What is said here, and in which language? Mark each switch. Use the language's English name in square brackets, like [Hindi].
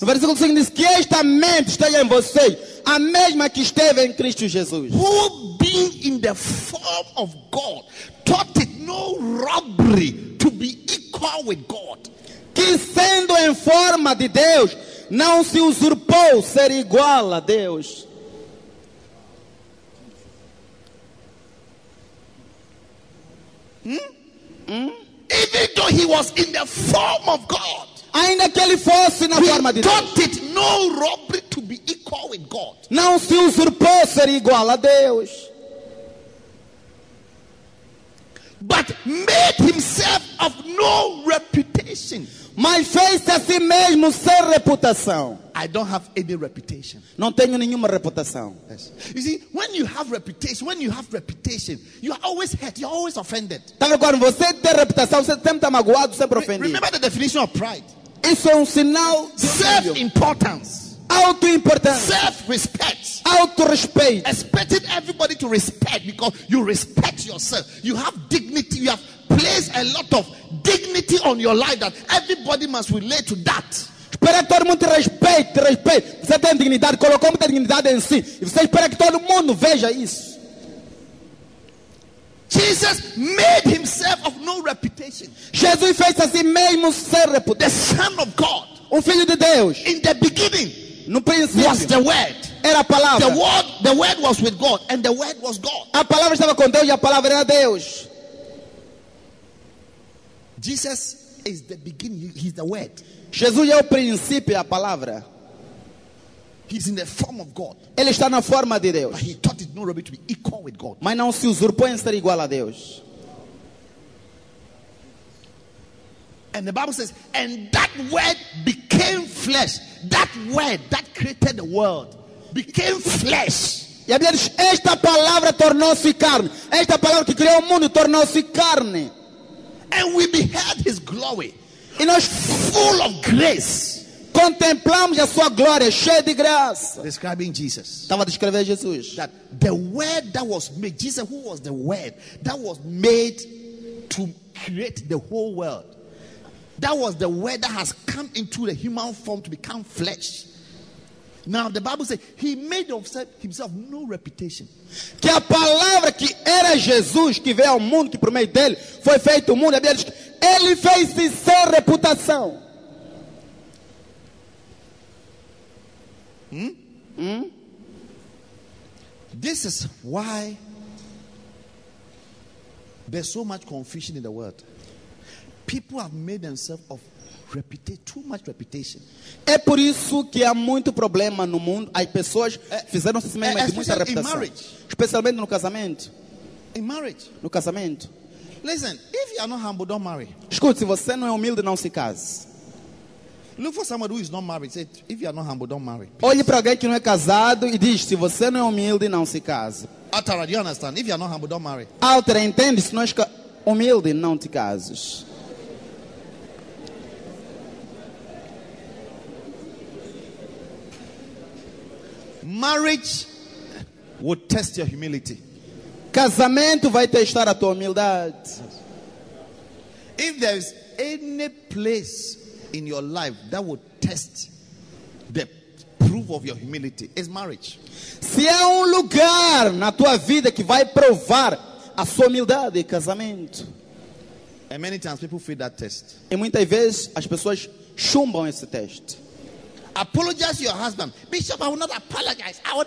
[Portuguese] No versículo 5 diz que esta mente esteja em você, a mesma que esteve em Cristo Jesus. [English] Who being in the form of God, thought it no robbery to be equal with God. [Portuguese] Que sendo em forma de Deus, não se usurpou ser igual a Deus. [English] Even though he was in the form of God, [Portuguese] ainda que ele fosse na forma de Deus, [English] he thought it no robbery to be equal with God. [Portuguese] Não se usurpou ser igual a Deus. [English] But made himself of no reputation. [Portuguese] Mas fez-se a si mesmo sem reputação. [English] I don't have any reputation. [Portuguese] Não tenho nenhuma reputação. [English] Yes. You see, when you have reputation, you are always hurt, you are always offended. [Portuguese] Então, quando você tem reputação, você sempre está magoado, sempre ofendido. [English] Remember the definition of pride. [Portuguese] Isso é um sinal de [English] self-importance. [Portuguese] Auto-importância. [English] Self-respect. [Portuguese] Auto-respeito. [English] Expecting everybody to respect because you respect yourself. You have dignity. You have placed a lot of dignity on your life that everybody must relate to that. [Portuguese] Espera que todo mundo te respeite, Você tem dignidade, colocou muita dignidade em si. E você espera que todo mundo veja isso. [English] Jesus made himself of no reputation. [Portuguese] Jesus fez a si mesmo ser reputado. [English] The Son of God. [Portuguese] O Filho de Deus. [English] In the beginning. [Portuguese] No princípio. [English] Was the Word. [Portuguese] Era a palavra. [English] The word was with God, and the Word was God. [Portuguese] A palavra estava com Deus e a palavra era Deus. [English] Jesus is the beginning. He's the Word. [Portuguese] Jesus é o princípio, a palavra. [English] He's in the form of God. [Portuguese] Ele está na forma de Deus. [English] But he thought it no robbery to be equal with God. [Portuguese] Mas não se usurpou em ser igual a Deus. [English] And the Bible says, and that Word became flesh. That Word that created the world became flesh. [Portuguese] E a Bíblia diz, esta palavra tornou-se carne. Esta palavra que criou o mundo tornou-se carne. [English] And we beheld his glory. [Portuguese] E nós, [English] full of grace, [Portuguese] contemplamos a sua glória, cheia de graça. [English] Describing Jesus. [Portuguese] Estava a descrever Jesus. [English] That the Word that was made, Jesus, who was the Word that was made to create the whole world. That was the Word that has come into the human form to become flesh. Now the Bible says he made of himself no reputation. [Portuguese] Que a palavra que era Jesus que veio ao mundo, que por meio dele foi feito o mundo, a Bíblia diz que ele fez-se sem reputação. [English] This is why there's so much confusion in the world. People have made themselves of too much reputation. [Portuguese] É por isso que há muito problema no mundo. As pessoas fizeram-se si mesmas de muita reputação. [English] In marriage. [Portuguese] Especialmente no casamento. [English] In marriage. [Portuguese] No casamento. [English] Listen, if you are not humble, don't marry. [Portuguese] Escute, se você não é humilde, não se case. [English] Look for someone who is not married. Say, if you are not humble, don't marry. [Portuguese] Olhe para alguém que não é casado e diz, se você não é humilde, não se case. [English] Altera, do you understand? If you are not humble, don't marry. [Portuguese] Altera, entende? Se não é humilde, não te cases. [English] Marriage will test your humility. [Portuguese] Casamento vai testar a tua humildade. [English] If there is any place in your life that will test the proof of your humility, it's marriage. [Portuguese] Se há lugar na tua vida que vai provar a sua humildade, é casamento. [English] And many times people fail that test. [Portuguese] E muitas vezes as pessoas chumbam esse teste. [English] Apologize to your husband. Bishop, I will not apologize.